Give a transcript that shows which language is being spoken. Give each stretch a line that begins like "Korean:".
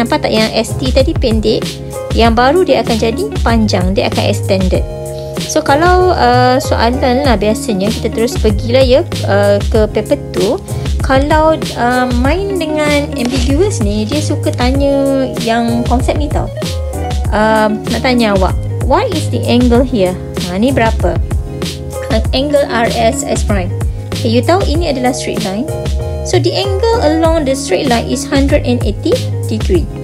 Malay: Nampak tak yang ST tadi pendek, yang baru dia akan jadi panjang. Dia akan extended. So kalau soalan lah, biasanya kita terus pergilah ya ke paper 2. Kalau main dengan ambiguous ni, dia suka tanya yang konsep ni tau. Nak tanya awak,
English: what is the angle here?
Malay: Ni berapa? Angle RS S prime. Okay, you tahu ini adalah straight line.
English: So the angle along the straight line is 180 degree.